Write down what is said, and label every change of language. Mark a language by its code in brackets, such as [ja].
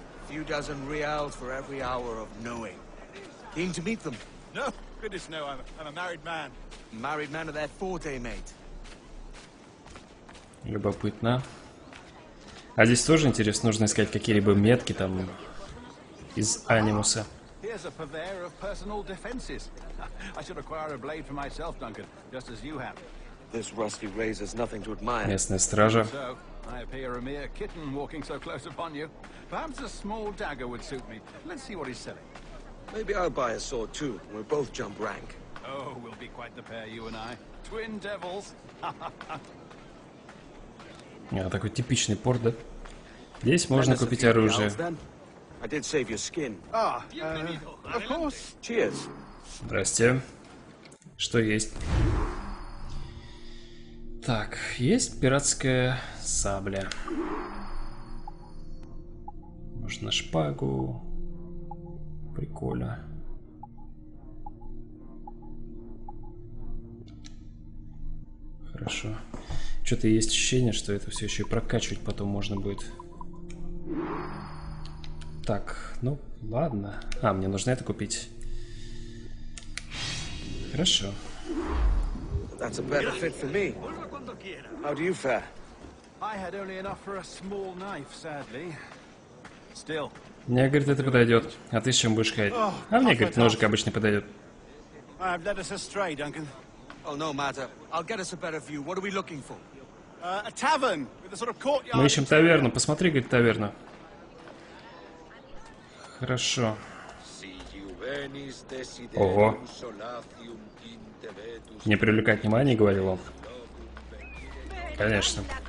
[en] Few dozen reals for every hour of knowing. Keen to meet them? No, goodness no, I'm a married man. Married men are their forte, mate. [ru] Любопытно. А здесь тоже интересно, нужно искать какие-либо метки там из анимуса. [en] Here's a purveyor of personal defenses. I should acquire a blade for myself, Duncan, just as you have. This rusty razor's nothing to admire. [ru] Местная стража. [en] I appear a mere kitten walking so close upon you. Perhaps a small dagger would suit me. Let's see what he's selling. Maybe I'll buy a sword too, and we'll both jump rank. Oh, we'll be quite the pair, you and I. Twin devils. Ха-ха-ха. [ru] Yeah, такой типичный порт, да? Здесь можно купить оружие. [en] I did save your skin. Ah, of course. Cheers. [ru] Здрасте. Что есть? Так, есть пиратская сабля. Можно шпагу. Прикольно. Хорошо. Что-то есть ощущение, что это все еще и прокачивать потом можно будет. Так, ну ладно. А, мне нужно это купить. Хорошо. [en] That's a better fit for me. How do you fare? I had only enough for a small knife, sadly. Still. [ru] Мне, говорит, это подойдет. А ты с чем будешь ходить? А мне, говорит, ножик обычный подойдет. [en] I've led us astray, Duncan. Oh, no matter. I'll get us a better view. What are we looking for? A tavern with a sort of courtyard. [ru] Мы ищем таверну. Посмотри, говорит, таверну. Хорошо. Ого. Не привлекать внимание, говорил он. Конечно.